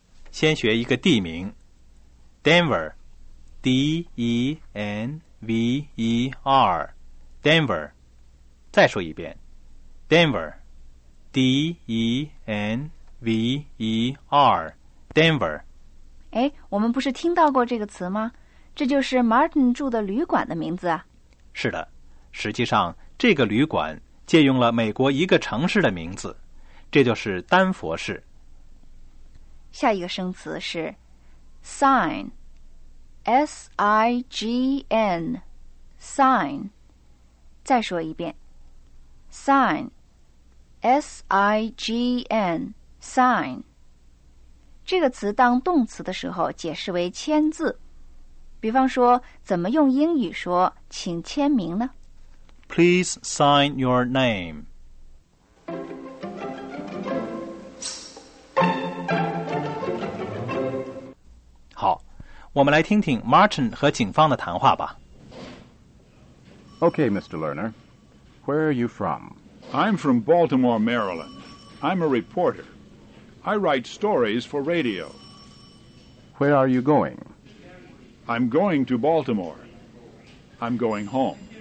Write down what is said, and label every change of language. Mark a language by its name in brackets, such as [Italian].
[Chinese] 先学一个地名 Denver D-E-N-V-E-R Denver。再说一遍 Denver D-E-N-V-E-R Denver。哎，我们不是听到过这个词吗？这就是 Martin 住的旅馆的名字啊。是的，实际上这个旅馆借用了美国一个城市的名字，这就是丹佛市。下一个生词是 sign, S-I-G-N, sign。再说一遍 sign, S-I-G-N, sign。这个词当动词的时候解释为签字，比方说怎么用英语说请签名呢？ [English] Please sign your name。 [Chinese] 我们来听听 Martin 和警方的谈话吧。 [English] Okay, Mr. Lerner, where are you from? I'm from Baltimore, Maryland. I'm a reporter. I write stories for radio. Where are you going? I'm going to Baltimore. I'm going home.